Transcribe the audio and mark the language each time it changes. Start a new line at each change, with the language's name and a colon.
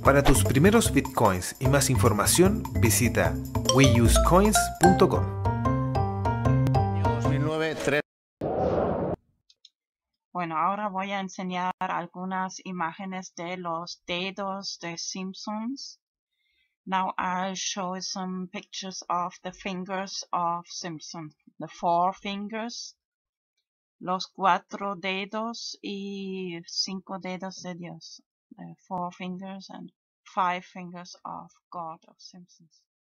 Spanish: Para tus primeros bitcoins y más información, visita weusecoins.com. Bueno, ahora voy a enseñar algunas imágenes de los dedos de Simpsons.
English: Now I'll show some pictures of the fingers of Simpson, the four fingers.
Spanish: Los cuatro dedos y cinco dedos de Dios.
English: Four fingers and five fingers of God of Simpsons.